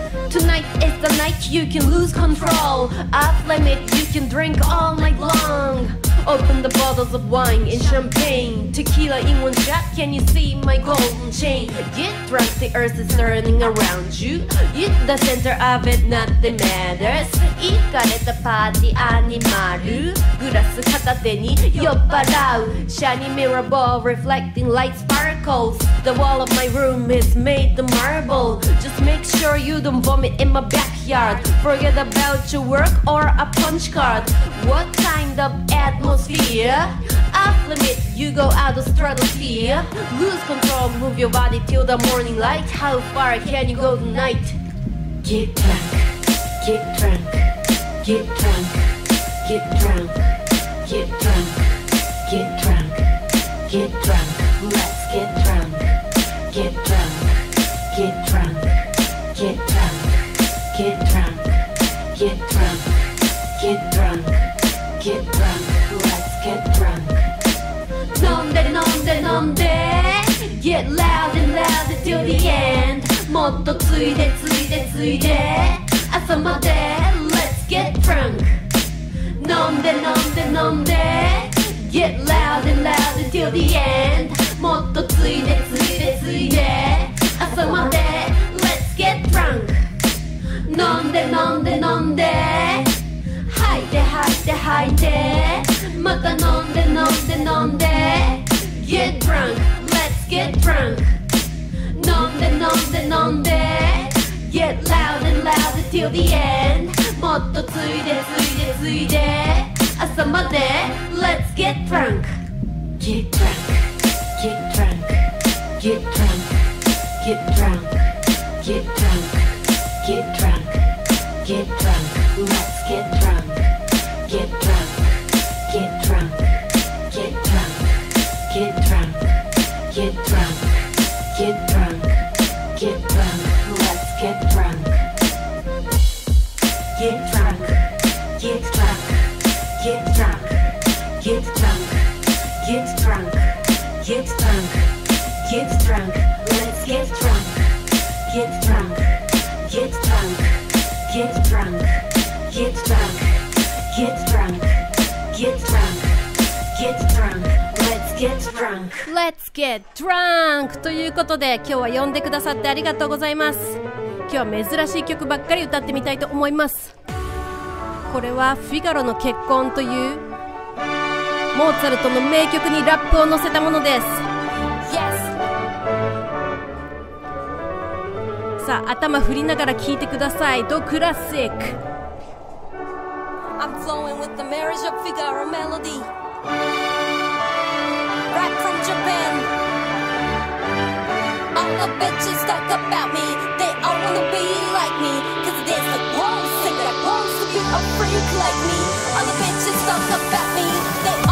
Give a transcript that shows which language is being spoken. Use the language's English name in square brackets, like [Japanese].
[English] Tonight is the night you can lose control. Off limit, you can drink all night long. Open the bottles of wine and champagne. Tequila in one shot, can you see my golden chain? Get drunk, the earth is turning around you. You're the center of it, nothing matters. [Japanese] イカれたパーティーアニマル。グラス片手に酔っ払う。 [English] Shiny mirror ball reflecting light sparkles. The wall of my room is made of marble. Just make sure you don't vomit in my backyard. Forget about your work or a punch card. What kind of atmosphere? Off limit, you go out of stratosphere. Lose control, move your body till the morning light. How far can you go tonight? Get drunk, get drunk. Get drunk, get drunk, get drunk, get drunk, get drunk, let's get drunk, get drunk, get drunk, get drunk, get drunk, get drunk, get drunk, get drunk, let's get drunk. [Japanese] 飲んで飲んで飲んで [English] Get loud and loud till the end. [Japanese] もっとついでついでついで朝まで。 [English] Get drunk, [Japanese] 飲んで飲んで飲んで [English] Get loud and loud until the end. [Japanese] もっとついでついでついで朝まで [English] Let's get drunk, [Japanese] 飲んで飲んで飲んで吐いて吐いて吐いてまた飲んで飲んで飲んで [English] Get drunk, Let's get drunk, [Japanese] 飲んで飲んで飲んで [English] Get loud and loud until the end [Japanese] もっとついでついでついで朝まで Let's get drunk [English] Get drunk, get drunk, get drunk, get drunk, get drunk, get drunk, get drunk, let's get drunk, get drunk, get drunk, get drunk, get drunk, get drunk, get drunk, get drunk, let's get drunkGet drunk, get drunk, get drunk, get drunk, get drunk, get drunk, get drunk, let's get drunk, get drunk, get drunk, get drunk, get drunk, get drunk, get drunk, get drunk, let's get drunk, let's get drunk. [Japanese] ということで今日は呼んでくださってありがとうございます。今日は珍しい曲ばっかり歌ってみたいと思います。これはフィガロの結婚というモーツァルトの名曲にラップを乗せたものです。 [English] Yes! [Japanese] さあ頭振りながら聴いてください。ドクラシック。 [English] I'm flowing with the marriage of Figaro melody Right from Japan All the bitches talk about meWanna be like me, cause they're supposed to be a freak like me. All the bitches talk about me.